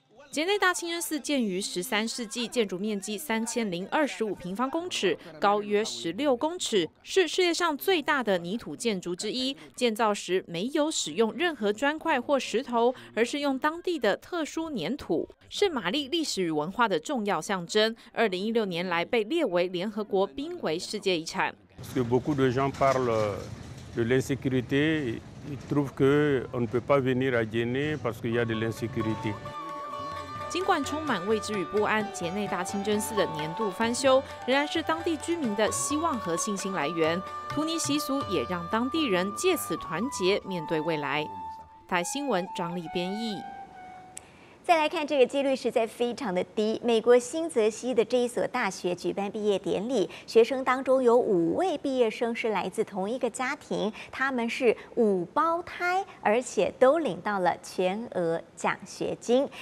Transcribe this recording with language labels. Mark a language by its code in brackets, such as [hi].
[zh] 杰内大清真寺建于13世纪，建筑面积3025平方公尺，高约16公尺，是世界上最大的泥土建筑之一。建造时没有使用任何砖块或石头，而是用当地的特殊粘土，是玛丽历史与文化的重要象征。 2016年来被列为联合国濒危世界遗产。 [fr] Parce que beaucoup de gens parlent de l'insécurité, ils trouvent que on ne peut pas venir à Djenné parce qu'il y a de l'insécurité. [zh] 尽管充满未知与不安，杰内大清真寺的年度翻修仍然是当地居民的希望和信心来源。图尼习俗也让当地人借此团结面对未来。台新闻张丽编译。再来看这个几率实在非常的低。美国新泽西的这一所大学举办毕业典礼，学生当中有五位毕业生是来自同一个家庭，他们是五胞胎，而且都领到了全额奖学金。